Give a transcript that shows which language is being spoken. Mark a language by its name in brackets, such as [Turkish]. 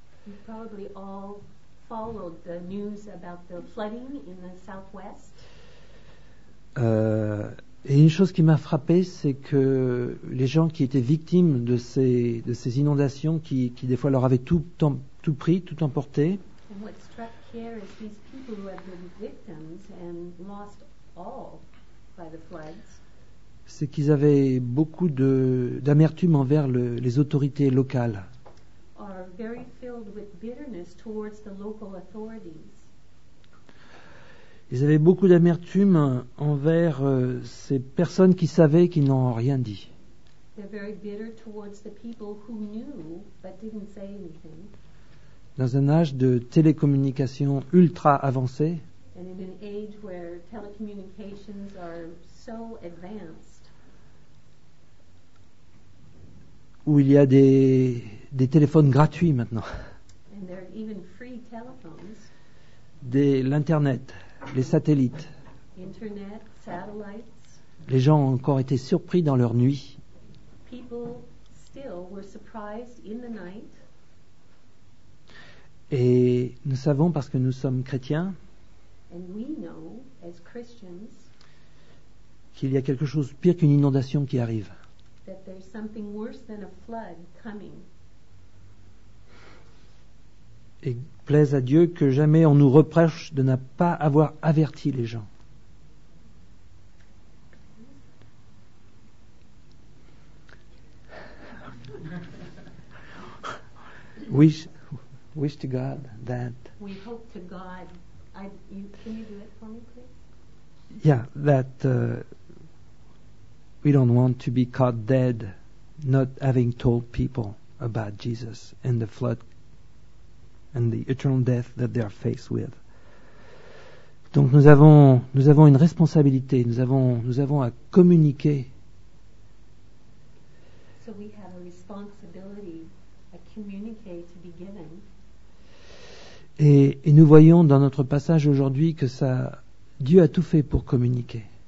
[English] You probably all followed the news about the flooding in the southwest. [French] Et une chose qui m'a frappé, c'est que les gens qui étaient victimes de ces inondations, qui des fois leur avaient tout pris, tout emporté. [English] And what struck here is these people who have been victims and lost all by the floods. [French] C'est qu'ils avaient beaucoup d'amertume envers les autorités locales. [English] Are very filled with bitterness towards the local authorities. [French] Ils avaient beaucoup d'amertume envers ces personnes qui savaient qu'ils n'ont rien dit. [English] They're very bitter towards the people who knew but didn't say anything. [French] Dans un âge de télécommunication ultra avancé. [English] And in an age where telecommunications are so advanced. [French] Où il y a des téléphones gratuits maintenant. [English] And there are even free telephones. [French] L'Internet, les satellites. [English] Internet, satellites. [French] Les gens ont encore été surpris dans leur nuit. [English] People still were surprised in the night. [French] Et nous savons, parce que nous sommes chrétiens, [English] and we know, as Christians, [French] qu'il y a quelque chose de pire qu'une inondation qui arrive. [English] That there's something worse than a flood coming. [French] Et plaise à Dieu que jamais on nous reproche de ne pas avoir averti les gens. [English] wish to God that. We hope to God. Can you do it for me, please? Yeah, that. We don't want to be caught dead not having told people about Jesus and the flood and the eternal death that they are faced with. [French] Donc nous avons une responsabilité, nous avons à communiquer. [English] So we have a responsibility, a communiqué to be given. [French] Et nous voyons dans notre passage aujourd'hui que ça Dieu a tout fait pour communiquer.